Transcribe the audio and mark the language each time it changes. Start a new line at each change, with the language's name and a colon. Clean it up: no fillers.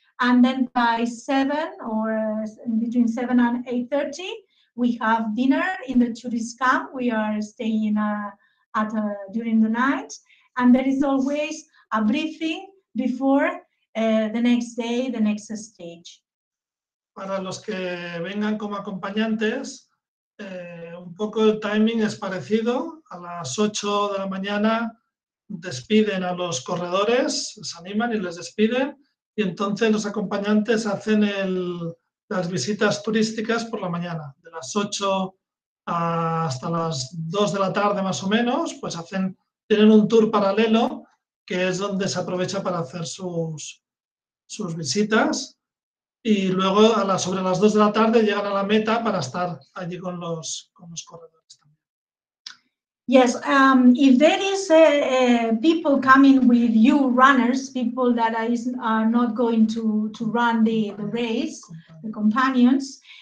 English: And then by 7 or between 7 and 8:30, we have dinner in the tourist camp. We are staying during the night. And there is always a briefing before the next day, the next stage.
Spanish: Para los que vengan como acompañantes, un poco el timing es parecido. A las 8 de la mañana despiden a los corredores, se animan y les despiden. Y entonces los acompañantes hacen las visitas turísticas por la mañana. De las 8 hasta las 2 de la tarde más o menos, pues tienen un tour paralelo, que es donde se aprovecha para hacer sus visitas. Y luego sobre las 2 de la tarde llegan a la meta para estar allí con los corredores también.
English: Yes, if there is people coming with you, runners, people that are not going to run the race, the companions,